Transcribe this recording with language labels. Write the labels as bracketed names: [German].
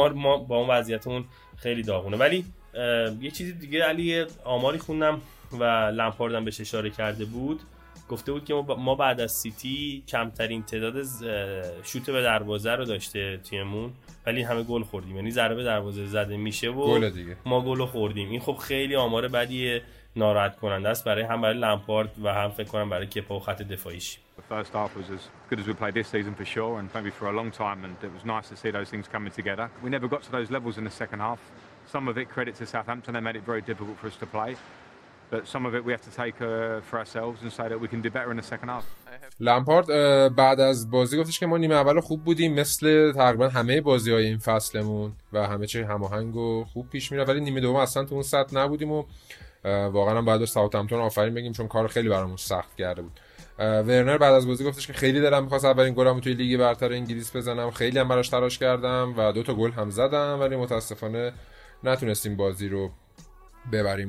[Persian] ما با اون وضعیتمون خیلی داغونه. ولی یه چیزی دیگه علی، آماری خوندم و لمپاردم بهش اشاره کرده بود، گفته بود که ما بعد از سیتی کمترین تعداد شوت به دروازه رو داشته تیممون، ولی همه گل خوردیم. یعنی ضربه دروازه زده میشه و گل دیگه، ما گل خوردیم. این خب خیلی آمار بدیه، ناراحت کننده است برای هم برای لمپارد و هم فکر کنم برای کپا و خط دفاعیش. [English] First half was as good as we played this season for sure and maybe for a long time and it was nice to see those things coming together. We never got to those levels in the second half. Some of it credit to Southampton, they made it very difficult for us to play. But some of it we have to take for ourselves and say that we can do better in the second half. [Persian] لمپارد بعد از بازی گفتش که ما نیمه اول خوب بودیم، مثل تقریبا همه بازی‌های این فصلمون و همه چی هماهنگ و خوب پیش میره، ولی نیمه دوم اصلا تو اون سطح نبودیم و واقعا هم بعد از ساوثهمپتون آفرین بگیم چون کار خیلی برامون سخت کرده بود. ورنر بعد از بازی گفتش که خیلی دلم می‌خواست اولین گلمو توی لیگ برتر انگلیس بزنم، خیلی هم براش تلاش کردم و دو تا گل هم زدم ولی متاسفانه نتونستیم بازی رو ببریم.